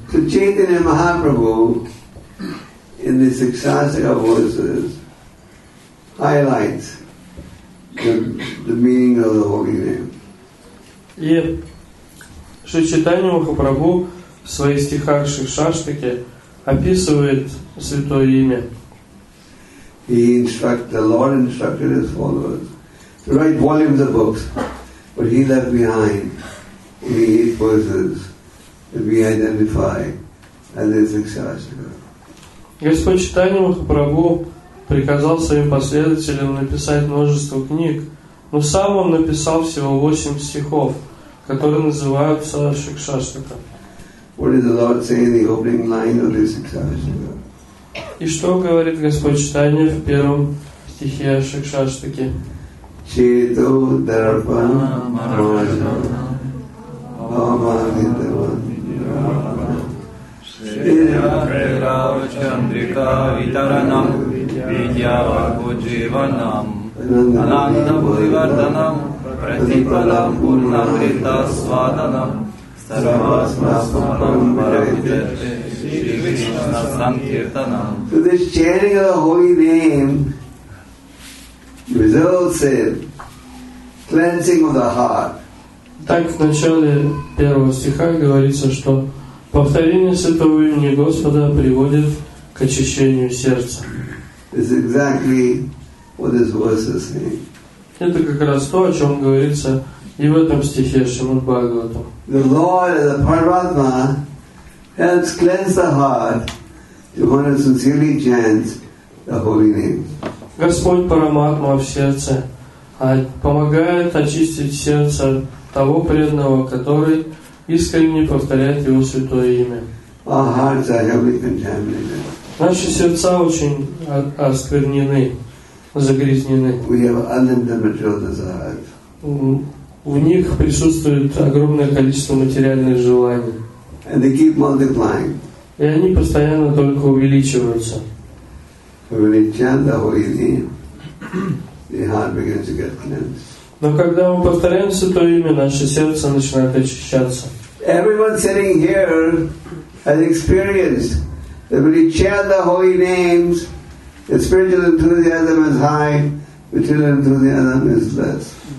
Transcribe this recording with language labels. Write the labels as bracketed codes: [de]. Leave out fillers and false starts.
[en] So Chaitanya Mahaprabhu in the Sikshasaka verses highlights the meaning of the holy name. [ru] И Шри Чайтанья Махапрабху в своих стихах Шикшаштаке описывает святое имя. [en] The Lord instructed his followers to write volumes of books, but he left behind only 8 verses that we identify as the Sikshasaka. [ru] Господь Чайтанья Махапрабху приказал своим последователям написать множество книг, но сам он написал всего 8 стихов, которые называются Шикшаштака. [en] What is the Lord saying in the opening line of this Шикшаштака? [ru] И что говорит Господь Чайтанья в первом стихе Шикшаштаки? [sa] Чету дарпа мараджа амадитава Сидя прерав Чандрика Витаранам Видьяваку Дживанам Ананда Буйварданам Пратипадам Пурнахрита Сваданам Сарвасмасмапам Парахите Шри Кришна Санкиртанам. [en] So this chanting of the holy name results in cleansing of the heart. [ru] Так в начале первого стиха говорится, что повторение святого имени Господа приводит к очищению сердца. [en] It's exactly what this verse is saying. [ru] Это как раз то, о чем говорится и в этом стихе Шримад-Бхагаватам. [en] The Lord, the Paramatma, helps cleanse the heart to one who sincerely chants the holy name. [ru] Господь Параматма в сердце помогает очистить сердце того преданного, который искренне повторяет его святое имя. [en] Our hearts are heavily contaminated. [ru] Наши сердца очень осквернены, загрязнены. [en] We have unlimited material desires. [ru] В них присутствует огромное количество материальных желаний. [en] And they keep multiplying. [ru] И они постоянно только увеличиваются. [en] When you chant the holy name, the heart begins to get cleansed. [ru] Но когда мы повторяем святое имя, наше сердце начинает очищаться. [en] Everyone sitting here has experienced that when you chant the holy names, the spiritual enthusiasm is high, material enthusiasm is less.